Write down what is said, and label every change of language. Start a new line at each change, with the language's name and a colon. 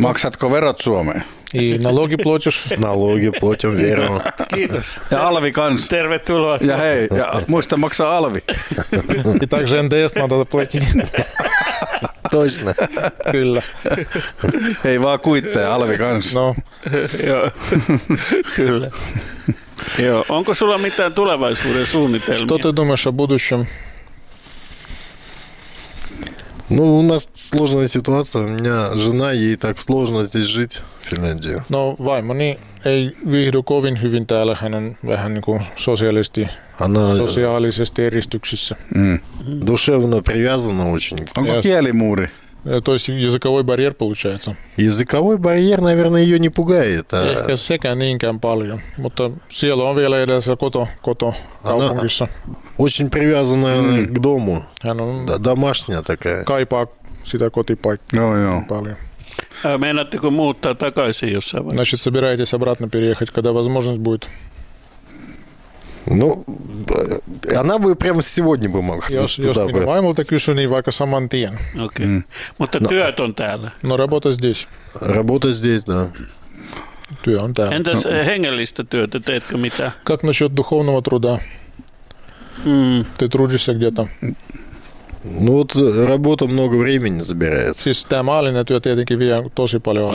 Finnish: Maksatko verot Suomeen?
Russian: И налоги платишь? Налоги платим верно.
Finnish: Kiitos. Ja alvi kans. Tervetuloa. Ja hei, ja muista maksaa alvi. И также НДС надо заплатить. Точно. Kyllä. Hei, vaan kuitteja, alvi kans. No. Joo. Kyllä. Joo. Onko sulla mitään tulevaisuuden suunnitelmia?
Russian: Что ты думаешь о будущем? Ну, у нас сложная ситуация. У меня жена, ей так сложно здесь жить, в Финляндии.
Finnish: No, vaimoni ei viihdy kovin hyvin täällä. Hän on vähän niin kuin sosiaalisesti eristyksissä.
Russian: Душевно привязана очень.
Finnish: Onko kielimuuri?
Russian: То есть языковой барьер получается. Языковой барьер, наверное, ее не пугает.
Finnish: Ehkä sekä niinkään paljon, mutta siellä on vielä edessä koto kaupungissa.
Russian: Очень привязанная к дому. Домашняя такая.
Finnish: Kaipaa sitä kotipaikkaa paljon. Meinaatteko muuttaa takaisin jossain vaiheessa?
Russian: Значит, собираетесь обратно переехать, когда возможность будет? Ну, она бы прямо сегодня бы могла туда бы.
Finnish: Jos minä kysyn, niin vaikka saman tien. Okei. Mutta työt on täällä.
Russian: No, работа здесь. Работа здесь, да.
Finnish: Työ on täällä. Entäs hengellistä työtä, teetkö mitä?
Russian: Как насчет духовного труда? Ты трудишься где-то? Ну, вот работа много времени забирает.
Finnish: Siis tämä maallinen työ tietenkin vie tosi paljon.